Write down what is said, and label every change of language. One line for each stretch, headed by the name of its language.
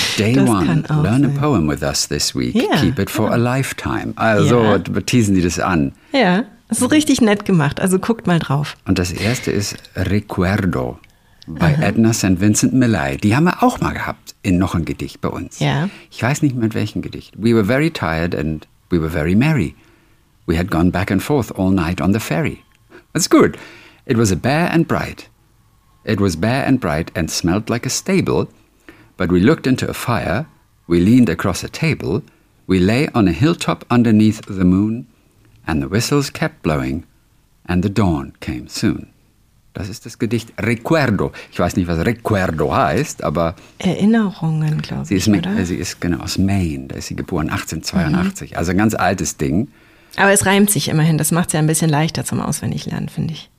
English: Day das one.
German: Kann auch Learn sein.
English: A poem with us this week. Yeah. Keep it for a lifetime.
German: Also teasen die das an. Ja. Das ist richtig nett gemacht. Also guckt mal drauf. Und das erste ist Recuerdo bei Edna St. Vincent Millay. Die haben wir auch mal gehabt in noch ein Gedicht bei uns.
English: Yeah.
German: Ich weiß nicht mit welchem Gedicht.
English: We were very tired and we were very merry. We had gone back and forth all night on the ferry. That's good. It was bare and bright. It was bare and bright and smelled like a stable. But we looked into a fire. We leaned across a table. We lay on a hilltop underneath the moon. And the whistles kept blowing. And the dawn came soon.
German: Das ist das Gedicht Recuerdo. Ich weiß nicht, was Recuerdo heißt, aber Erinnerungen, glaube ich, oder? Sie ist genau aus Maine, da ist sie geboren, 1882. Mhm. Also ein ganz altes Ding. Aber es reimt sich immerhin, das macht es ja ein bisschen leichter zum Auswendiglernen, finde ich.